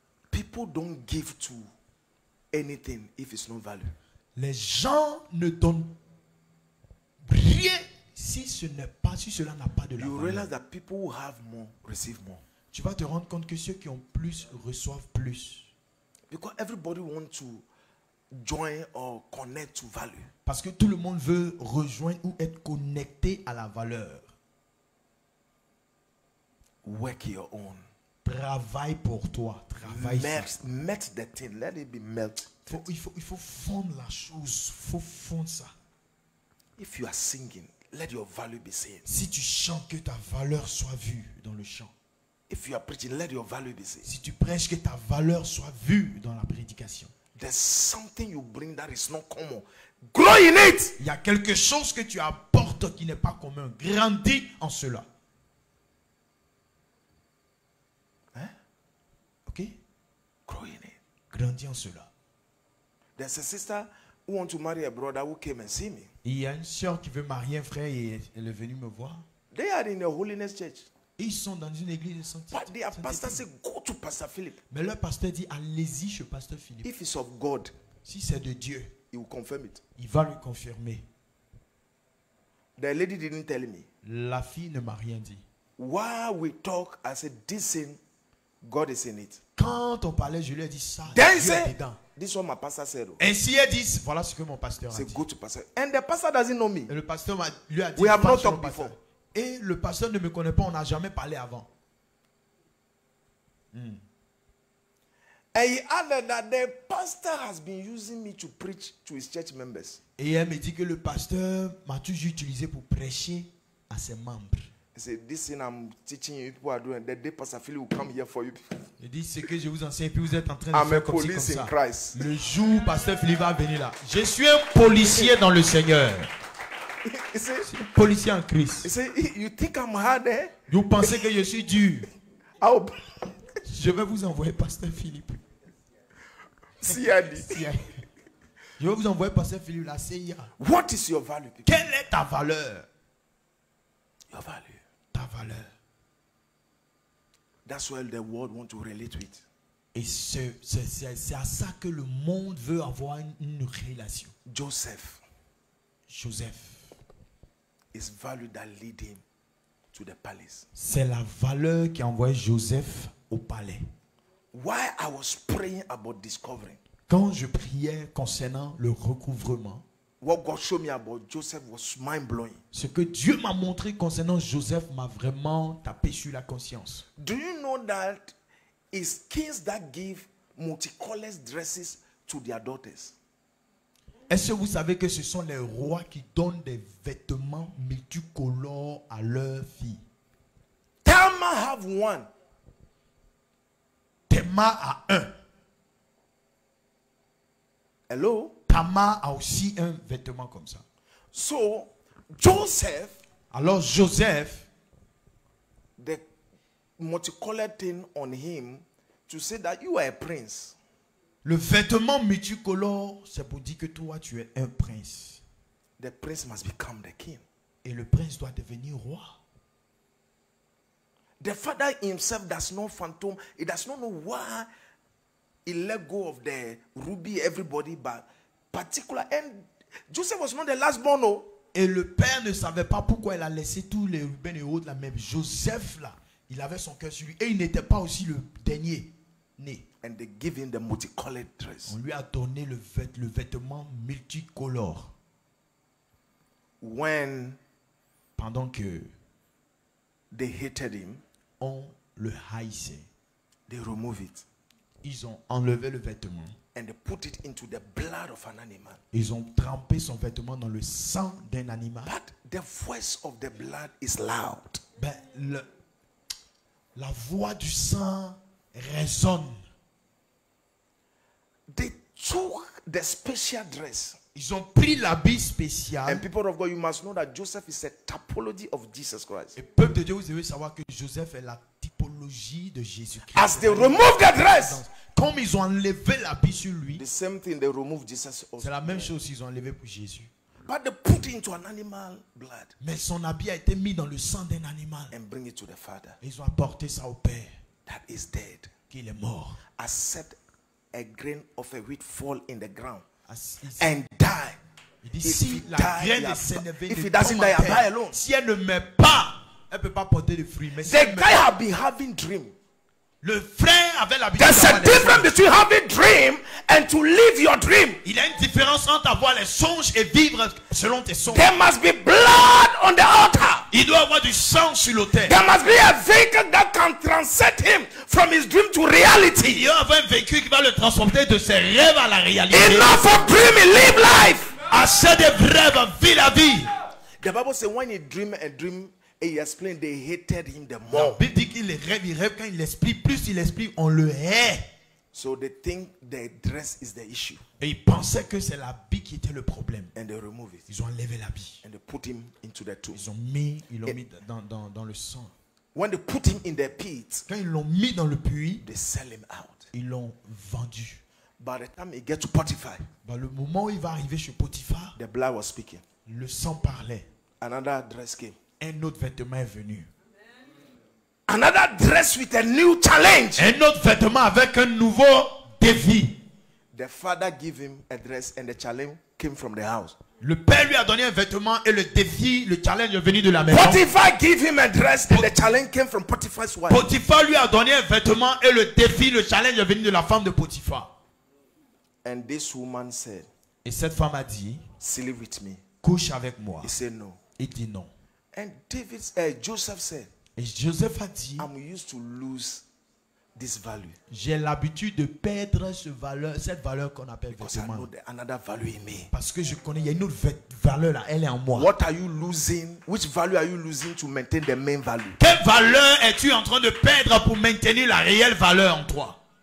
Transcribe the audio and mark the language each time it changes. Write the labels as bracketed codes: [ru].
[en] People don't give to anything if it's not value. [fr] Les gens ne donnent rien si ce n'est pas, si cela n'a pas de la [en] you [fr] valeur. [en] You realize that people who have more receive more. [fr] Tu vas te rendre compte que ceux qui ont plus reçoivent plus. [en] Because everybody wants to join or connect to value. [fr] Parce que tout le monde veut rejoindre ou être connecté à la valeur. [en] Work your own. [fr] Travaille pour toi. Travaille. [en] Melt the thing. Let it be melt. [fr] Il faut fondre la chose. Faut fondre ça. [en] If you are singing, let your value be seen. [fr] Si tu chantes, que ta valeur soit vue dans le chant. [en] If you are preaching, let your value be seen. [fr] Si tu prêches, que ta valeur soit vue dans la prédication. [en] There's something you bring that is not common. Grow in it. [fr] Il y a quelque chose que tu apportes qui n'est pas commun. Grandis en cela. Hein? OK? [en] Grow in it. [fr] Grandis en cela. [en] There's a sister who wants to marry a brother who came and see me. [fr] Il y a une sœur qui veut marier un frère et elle est venue me voir. [en] They are in a holiness church. [fr] Ils sont dans une église de sanctification. Mais leur pasteur dit, allez-y chez Pasteur Philippe. [en] If it's of God, [fr] si c'est de Dieu, [en] he will confirm it. [fr] Il va le confirmer. [en] The lady didn't tell me. [fr] La fille ne m'a rien dit. [en] While we talk, I said, this thing, God is in it. [fr] Quand on parlait, je lui ai dit ça. Then Dieu est dedans. [en] This one, my pastor said. [fr] Ainsi elle dit, voilà ce que mon pasteur c'est a dit. [en] Good to pastor. And the pastor doesn't know me. [fr] Et le pasteur m'a, lui a dit, [en] we have not talked before. [fr] Et le pasteur ne me connaît pas, on n'a jamais parlé avant. Hmm. [en] And he added that the pastor has been using me to preach to his church members. [fr] Et elle me dit que le pasteur m'a toujours utilisé pour prêcher à ses membres. [en] He said, this thing I'm teaching you, people are doing. The day Pastor Philip will come here for you. [fr] Il dit ce que je vous enseigne, puis vous êtes en train de faire comme police si, comme [en] in [fr] ça. Christ. Le jour où Pasteur Philip va venir là, je suis un policier dans le Seigneur. Policier en Christ. [en] You think I'm hard, eh? [fr] Vous pensez que je suis dur? Oh. Je vais vous envoyer Pasteur Philippe. CIA. Je vais vous envoyer Pasteur Philippe la CIA. [en] What is your value, people? [fr] Quelle est ta valeur? [en] Your value. [fr] Ta valeur. [en] That's where the world wants to relate with. [fr] Et c'est à ça que le monde veut avoir une relation. [en] Joseph. Is value that lead him to the palace. [fr] C'est la valeur qui envoie Joseph au palais. [en] While I was praying about discovering. [fr] Quand je priais concernant le recouvrement. [en] What God showed me about Joseph was mind blowing. [fr] Ce que Dieu m'a montré concernant Joseph m'a vraiment tapé sur la conscience. [en] Do you know that it's kings that give multicolored dresses to their daughters? [fr] Est-ce que vous savez que ce sont les rois qui donnent des vêtements multicolores à leurs filles? [en] Tamar have one. [fr] Tamar a un. [en] Hello? [fr] Tamar a aussi un vêtement comme ça. [en] So, Joseph. [fr] Alors Joseph, [en] the multicolored thing on him to say that you are a prince. [fr] Le vêtement multicolore, c'est pour dire que toi, tu es un prince. [en] The prince must become the king. [fr] Et le prince doit devenir roi. [en] The father himself does not phantom. He does not know why he let go of the ruby, everybody, but particular. And Joseph was not the last born, no. [fr] Et le père ne savait pas pourquoi il a laissé tous les rubens et autres là, même Joseph là, il avait son cœur sur lui et il n'était pas aussi le dernier né. [en] And they gave him the multicolored dress. [fr] On lui a donné le vêtement multicolore. [en] When [fr] pendant que [en] they hated him, [fr] on le haïssait. [en] They removed it. [fr] Ils ont enlevé le vêtement. [en] And they put it into the blood of an animal. [fr] Ils ont trempé son vêtement dans le sang d'un animal. [en] But the voice of the blood is loud. [fr] Ben, la voix du sang résonne. [en] They took the special dress. [fr] Ils ont pris l'habit spécial. [en] And people of God, you must know that Joseph is a typology of Jesus Christ. [fr] Et peuple de Dieu, vous devez savoir que Joseph est la typologie de Jésus-Christ. [en] As they removed the dress. [fr] Comme ils ont enlevé l'habit sur lui. [en] The same thing they removed Jesus. [fr] C'est la même chose qu'ils ont enlevé pour Jésus. [en] But they put into an animal blood. [fr] Mais son habit a été mis dans le sang d'un animal. [en] And bring it to the father. [fr] Et ils ont apporté ça au père. [en] That is dead. [fr] Qu'il est mort. [en] Accept a grain of a wheat fall in the ground. And die. [fr] Il dit, si la graine est sénévée, [en] if he doesn't die, I'll die alone. [fr] Si elle ne meurt pas, elle ne peut pas porter de fruits. Mais [en] the [fr] si [en] guy had been having dream. [fr] Le frère avait l'habitude. [en] There's a difference between having dream and to live your dream. [fr] Il y a une différence entre avoir les songes et vivre selon tes songes. [en] There must be blood on the altar. [fr] Il doit avoir du sang sur l'autel. [en] There must be a vehicle that can transcend him from his dream to reality. [fr] Il doit avoir un véhicule qui va le transporter de ses rêves à la réalité. [en] Enough of dreaming, live life. [fr] Assez de rêves, vis la vie. [en] The Bible says when he dream a dream. And he explained they hated him the more. [fr] La Bible dit qu'il rêve, il rêve. Quand il explique, plus il explique, on le hait. [en] So they think the dress is the issue. [fr] Et ils pensaient que c'est l'habit qui était le problème. [en] And they removed it. [fr] Ils ont enlevé l'habit. [en] And they put him into the tomb. [fr] Ils ont mis, ils l'ont mis dans le sang. [en] When they put him in the pit, [fr] quand ils l'ont mis dans le puits, [en] they sell him out. [fr] Ils l'ont vendu. [en] By the time he gets to Potiphar, [fr] dans le moment où il va arriver chez Potiphar, [en] the blood was speaking. [fr] Le sang parlait. [en] Another dress came. [fr] Un autre vêtement est venu. [en] Another dress with a new challenge. [fr] Un autre vêtement avec un nouveau défi. [en] The father gave him a dress and the challenge came from the house. [fr] Le père lui a donné un vêtement et le défi, le challenge est venu de la maison. [en] Potiphar gave him a dress and the challenge came from Potiphar's wife. [fr] Potiphar lui a donné un vêtement et le défi, le challenge est venu de la femme de Potiphar. [en] And this woman said, [fr] et cette femme a dit, [en] sleep with me. [fr] Couche avec moi. [en] He said no. [fr] Il dit non. [en] And David, Joseph said, [fr] et Joseph a dit, [en] I'm used to lose this value. [fr] J'ai l'habitude de perdre cette valeur qu'on appelle vêtement. [en] Because I know another value in me. [fr] Parce que je connais, il y a une autre valeur là, elle est en moi. [en] What are you losing? Which value are you losing to maintain the main value? [fr] Quelle valeur es-tu en train de perdre pour maintenir la réelle valeur en toi?